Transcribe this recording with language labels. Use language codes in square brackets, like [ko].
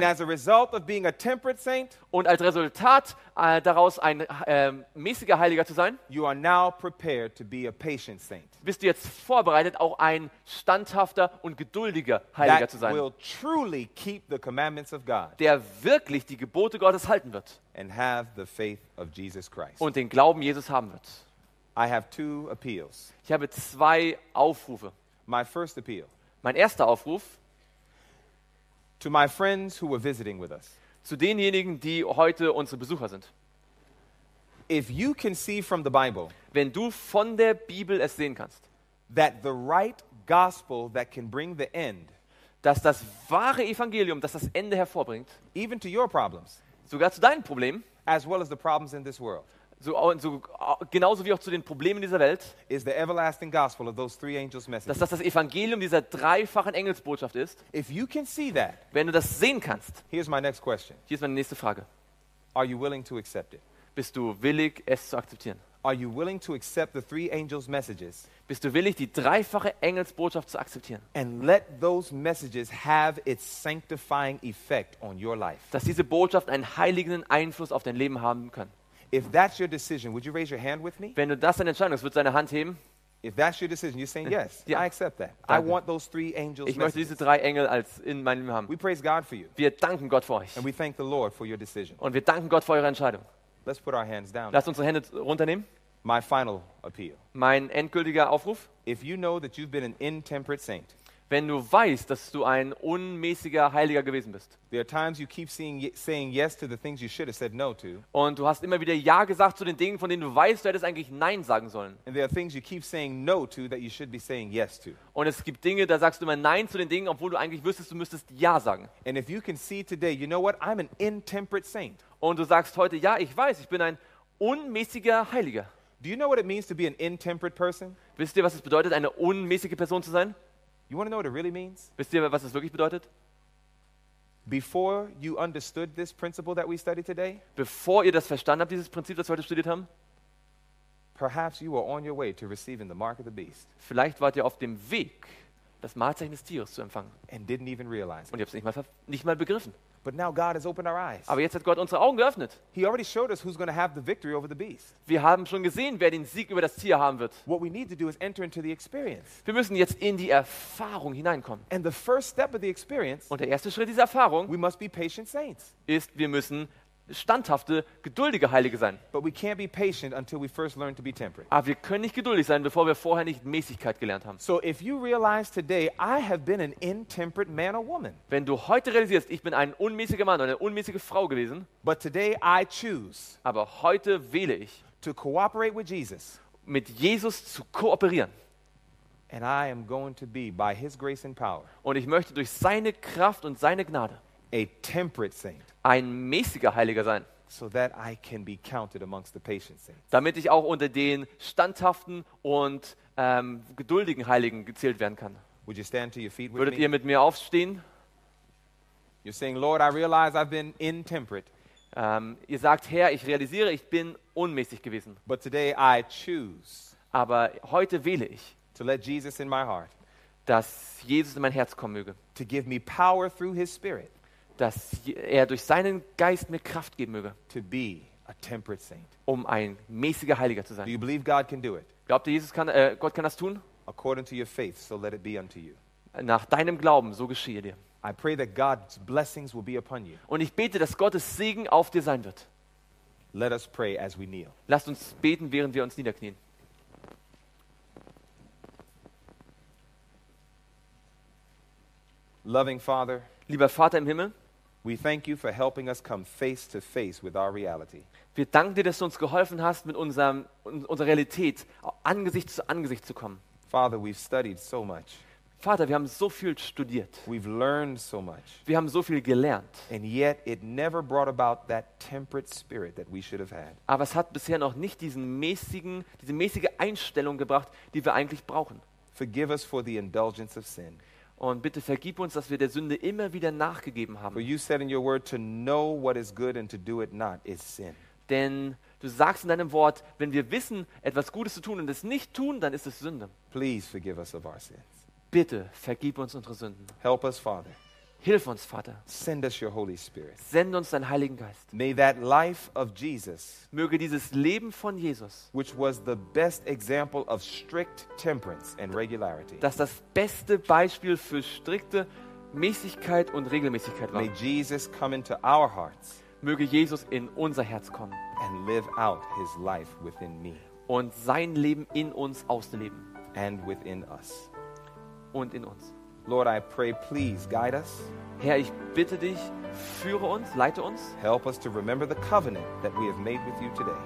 [en] And as a result of being a temperate saint, [de] und als Resultat daraus ein mäßiger Heiliger zu sein, [en] you are now prepared to be a patient saint. [de] Bist du jetzt vorbereitet, auch ein standhafter und geduldiger Heiliger [en] that [de] zu sein, [en] will truly keep the commandments of God, [de] der wirklich die Gebote Gottes halten wird, [en] and have the faith of Jesus Christ, [de] und den Glauben Jesus haben wird. [en] I have two appeals. [de] Ich habe zwei Aufrufe. [en] My first appeal. [de] Mein erster Aufruf. [en] To my friends who were visiting with us. [de] Zu denjenigen, die heute unsere Besucher sind. [en] If you can see from the Bible, [de] wenn du von der Bibel es sehen kannst, [en] that the right gospel that can bring the end, [de] dass das wahre Evangelium, dass das Ende hervorbringt, [en] even to your problems, [de] sogar zu deinen Problemen, [en] as well as the problems in this world, [de] So genauso wie auch zu den Problemen dieser Welt, [en] is the everlasting gospel of those three angels' messages, [de] dass das Evangelium dieser dreifachen Engelsbotschaft ist. [en] If you can see that, [de] wenn du das sehen kannst, [en] here's my next question. [de] Hier ist meine nächste Frage. [en] Are you willing to accept it? [de] Bist du willig, es zu akzeptieren? [en] Are you willing to accept the three angels' messages? [de] Bist du willig, die dreifache Engelsbotschaft zu akzeptieren? [en] And let those messages have its sanctifying effect on your life. [de] Dass diese Botschaft einen heiligenden Einfluss auf dein Leben haben kann. [en] If that's your decision, would you raise your hand with me? [de] Wenn du das deine Entscheidung ist, würdest du deine Hand heben? [en] If that's your decision, you're saying yes. [de] Ja. [en] I accept that. [de] Danke. [en] I want those three angels. [de] Ich möchte diese drei Engel als in meinem haben. [en] We praise God for you. [de] Wir danken Gott für euch. [en] And we thank the Lord for your decision. [de] Und wir danken Gott für eure Entscheidung. [en] Let's put our hands down. [de] Lass unsere Hände runternehmen. [en] My final appeal. [de] Mein endgültiger Aufruf. [en] If you know that you've been an intemperate saint, [de] wenn du weißt, dass du ein unmäßiger Heiliger gewesen bist. [en] There are times you keep saying yes to the things you should have said no to. [de] Und du hast immer wieder ja gesagt zu den Dingen, von denen du weißt, du hättest eigentlich nein sagen sollen. [en] And there are things you keep saying no to that you should be saying yes to. [de] Und es gibt Dinge, da sagst du immer nein zu den Dingen, obwohl du eigentlich wüsstest, du müsstest ja sagen. [en] And if you can see today, you know what? I'm an intemperate saint. [de] Und du sagst heute, ja, ich weiß, ich bin ein unmäßiger Heiliger. [en] Do you know what it means to be an intemperate person? [de] Wisst ihr, was es bedeutet, eine unmäßige Person zu sein? [en] You want to know what it really means? [de] Wisst ihr, was es wirklich bedeutet? [en] Before you understood this principle that we studied today? [de] Bevor ihr das verstanden habt, dieses Prinzip, das wir heute studiert haben? [en] Perhaps you were on your way to receiving the mark of the beast. [de] Vielleicht wart ihr auf dem Weg, das Markzeichen des Tieres zu empfangen. [en] And didn't even realize. [de] Und ihr habt es nicht mal begriffen. [en] But now God has opened our eyes. [de] Aber jetzt hat Gott unsere Augen geöffnet. [en] He already showed us who's going to have the victory over the beast. [de] Wir haben schon gesehen, wer den Sieg über das Tier haben wird. [en] What we need to do is enter into the experience. [de] Wir müssen jetzt in die Erfahrung hineinkommen. [en] And the first step of the experience. [de] Und der erste Schritt dieser Erfahrung. [en] We must be patient saints. [de] Ist, wir müssen standhafte, geduldige Heilige sein. [en] But we can't be patient until we first learn to be temperate. [de] Aber wir können nicht geduldig sein, bevor wir vorher nicht Mäßigkeit gelernt haben. [en] So if you realize today I have been an intemperate man or woman. [de] Wenn du heute realisierst, ich bin ein unmäßiger Mann oder eine unmäßige Frau gewesen. [en] But today I choose. [de] Aber heute wähle ich [en] to cooperate with Jesus. [de] Mit Jesus zu kooperieren. [en] And I am going to be by his grace and power. [de] Und ich möchte durch seine Kraft und seine Gnade [en] a temperate saint. [de] Ein mäßiger Heiliger sein, [en] so that I can be counted amongst the patient saints. [de] Damit ich auch unter den standhaften und geduldigen Heiligen gezählt werden kann. [en] Would you stand to your feet with [de] Würdet [en] me? [de] Ihr mit mir aufstehen? [en] You're saying, Lord, I realize I've been intemperate. [de] Ihr sagt, Herr, ich realisiere, ich bin unmäßig gewesen. [en] But today I choose. [de] Aber heute wähle ich, [en] to let Jesus in my heart. [de] Dass Jesus in mein Herz kommen möge. [en] To give me power through His Spirit. [de] Dass er durch seinen Geist mir Kraft geben möge, [en] to be a temperate saint. [de] Um ein mäßiger Heiliger zu sein. [en] Do you believe God can do it? [de] Glaubt ihr, Gott kann das tun? [en] According to your faith, so let it be unto you. [de] Nach deinem Glauben, so geschehe dir. [en] I pray that God's blessings will be upon you. [de] Und ich bete, dass Gottes Segen auf dir sein wird. [en] Let us pray as we kneel. [de] Lasst uns beten, während wir uns niederknien. [en] Loving Father, [de] lieber Vater im Himmel, [en] we thank you for helping us come face to face with our reality. [de] Wir danken dir, dass du uns geholfen hast, mit unserer Realität Angesicht zu Angesicht zu kommen. [en] Father, we've studied so much. [de] Vater, wir haben so viel studiert. [en] We've learned so much. [de] Wir haben so viel gelernt. [en] And yet it never brought about that temperate spirit that we should have had. [de] Aber es hat bisher noch nicht diese mäßige Einstellung gebracht, die wir eigentlich brauchen. [en] Forgive us for the indulgence of sin. [de] Und bitte vergib uns, dass wir der Sünde immer wieder nachgegeben haben. [en] For you said in your word, to know what is good and to do it not is sin. [de] Denn du sagst in deinem Wort, wenn wir wissen, etwas Gutes zu tun und es nicht tun, dann ist es Sünde. [en] Please forgive us of our sins. [de] Bitte vergib uns unsere Sünden. [en] Help us, Father. [de] Hilf uns, Vater. [en] Send us your Holy Spirit. [de] Send uns deinen Heiligen Geist. [en] May that life of Jesus, [de] möge dieses Leben von Jesus, [en] which was the best example of strict temperance and regularity, [de] das das beste Beispiel für strikte Mäßigkeit und Regelmäßigkeit war. [en] May Jesus come into our hearts, [de] möge Jesus in unser Herz kommen, [en] and live out His life within me, [de] und sein Leben in uns ausleben, [en] and within us, [de] und in uns. [en] Lord, I pray, please guide us. [de] Herr, ich bitte dich, führe uns, leite uns. [en] Help us to remember the covenant that we have made with you today.